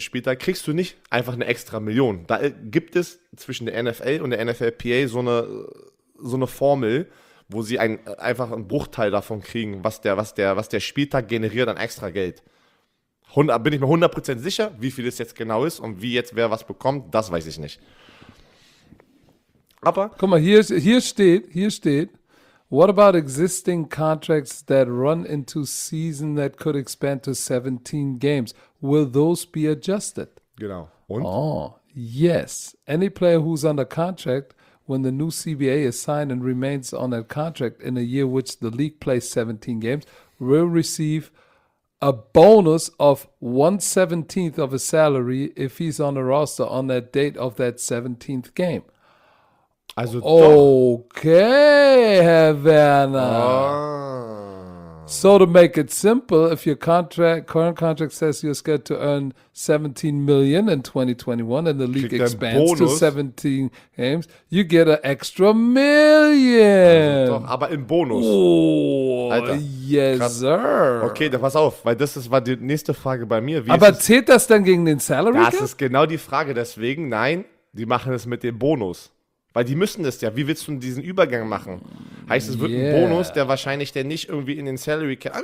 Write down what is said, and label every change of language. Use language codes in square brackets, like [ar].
[de] Spieltag kriegst du nicht einfach eine extra Million. Da gibt es zwischen der NFL und der NFLPA so eine Formel, wo sie einfach einen Bruchteil davon kriegen, was der Spieltag generiert an extra Geld. Bin ich mir 100% sicher, wie viel es jetzt genau ist und wie jetzt wer was bekommt, das weiß ich nicht. Aber guck mal, hier steht, [en] what about existing contracts that run into season that could expand to 17 games? Will those be adjusted? [de] Genau. Und? [en] Oh, yes. Any player who's under contract when the new CBA is signed and remains on that contract in a year which the league plays 17 games will receive a bonus of 1/17 of a salary if he's on the roster on that date of that 17th game. [de] Also okay, Herr Werner. Oh. [en] So to make it simple, if your current contract says you're scheduled to earn 17 million in 2021 and the league expands to 17 games, you get an extra million. [de] Also doch, aber im Bonus. Oh, Alter. Yes, krass. Sir. Okay, dann pass auf, weil das war die nächste Frage bei mir. Wie aber zählt das dann gegen den Salary? Das ist genau die Frage, deswegen, nein, die machen es mit dem Bonus. Weil die müssen das ja. Wie willst du diesen Übergang machen? Heißt, es wird ein Bonus, der wahrscheinlich der nicht irgendwie in den Salary Cap...